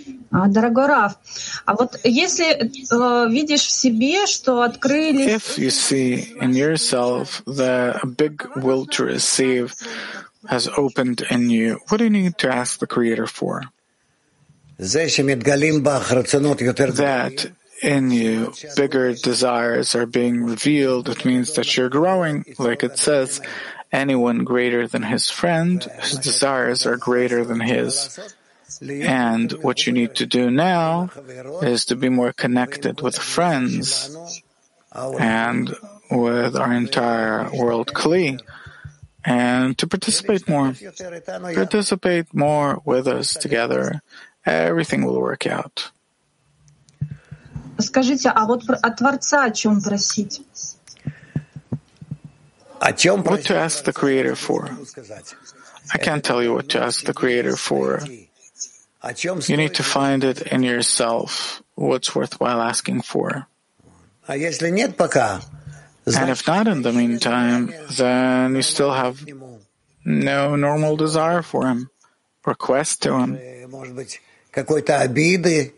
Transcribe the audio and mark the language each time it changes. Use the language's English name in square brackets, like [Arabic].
[Russian] Дорогой Раф, а вот если видишь в себе, что открылись... [English] If you see in yourself that a big will to receive has opened in you, what do you need to ask the Creator for? [Hebrew] זה שמתגלים בך רצונות יותר גדולים. [English] In you, bigger desires are being revealed. It means that you're growing. Like it says, anyone greater than his friend, his desires are greater than his. And what you need to do now is to be more connected with friends and with our entire world Kli, and to participate more. Participate more with us together. Everything will work out. [Russian] Скажите, а вот от Творца о чем просить? О чем просить? [English] What to ask the Creator for? I can't tell you what to ask the Creator for. You need to find it in yourself. What's worthwhile asking for? [Russian] А если нет пока? [English] And if not in the meantime, then you still have no normal desire for Him, request to Him. [Russian] Может быть, какой-то обиды?